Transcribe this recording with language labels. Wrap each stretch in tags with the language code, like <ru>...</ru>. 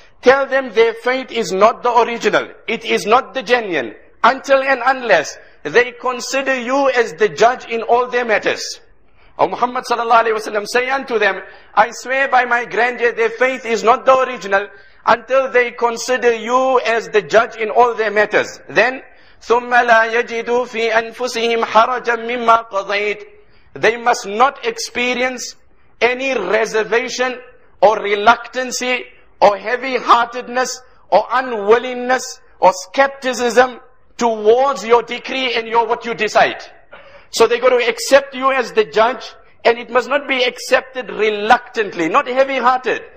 <en>Tell them their faith is not the original. It is not the genuine. Until and unless they consider you as the judge in all their matters. Oh, Muhammad sallallahu alaihi wasallam, say unto them, I swear by my grandeur, their faith is not the original, until they consider you as the judge in all their matters. Then,</en> <ar>ثُمَّ لَا يَجِدُوا فِي أَنفُسِهِمْ حَرَجًا مِّمَّا قَضَيْتِ.</ar> <en>They must not experience any reservation or reluctancy or heavy-heartedness or unwillingness or skepticism towards your decree and your what you decide. So they got to accept you as the judge, and it must not be accepted reluctantly, not heavy-hearted.</en>